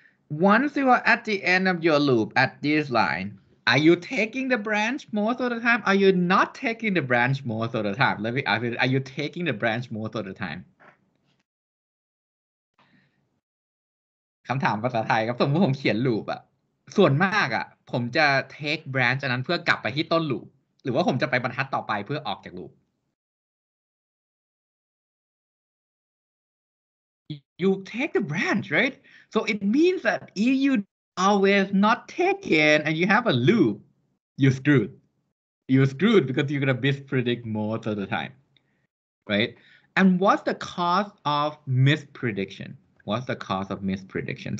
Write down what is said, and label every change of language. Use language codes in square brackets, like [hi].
[en] Once you are at the end of your loop at this line, are you taking the branch most of the time? Are you not taking the branch most of the time? Let me ask you, are you taking the branch most of the time? [th] คำถามภาษาไทยครับสมมติผมเขียนลูปอะส่วนมากอะผมจะ take branch อันนั้นเพื่อกลับไปที่ต้นลูปหรือว่าผมจะไปบรรทัดต่อไปเพื่อออกจากลูป [en] You take the branch, right? So it means that if you always not taken and you have a loop, you're screwed. You're screwed because you're going to mispredict most of the time, right? And what's the cause of misprediction? What's the cause of misprediction?